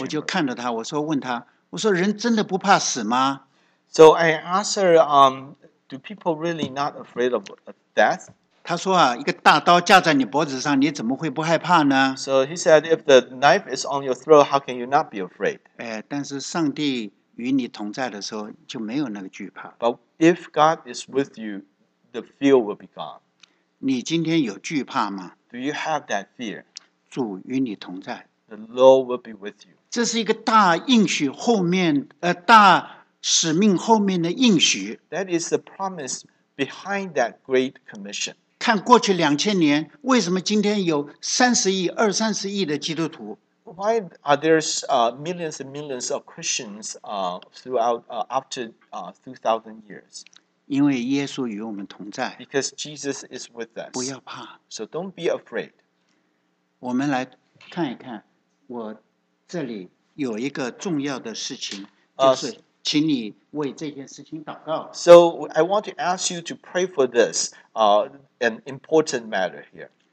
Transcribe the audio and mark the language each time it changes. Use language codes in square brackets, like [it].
[zh] 我就看到她, 我说人真的不怕死吗? [en] So I asked her, do people really not afraid of death? [zh] 她说啊, 一个大刀架在你脖子上, 你怎么会不害怕呢? [en] So he said, if the knife is on your throat, how can you not be afraid? [zh] 哎, 但是上帝与你同在的时候, 就没有那个惧怕。 [en] But if God is with you, the fear will be gone. [zh] 你今天有惧怕吗? [en] Do you have that fear? [zh] 主与你同在。 [en] The Lord will be with you. [zh] 这是一个大应许后面，大使命后面的应许。 [en] That is the promise behind that great commission. [zh] 看过去2000年，为什么今天有30亿、二三十亿的基督徒？ [en] Why are there millions and millions of Christians throughout after 2,000 years? [zh] 因为耶稣与我们同在。 [en] Because Jesus is with us. [zh] 不要怕。 [en] So don't be afraid. [zh] 我们来看一看，我这里有一个重要的事情，就是请你为这件事情祷告。 [en] So I want to ask you to pray for this, an important matter here.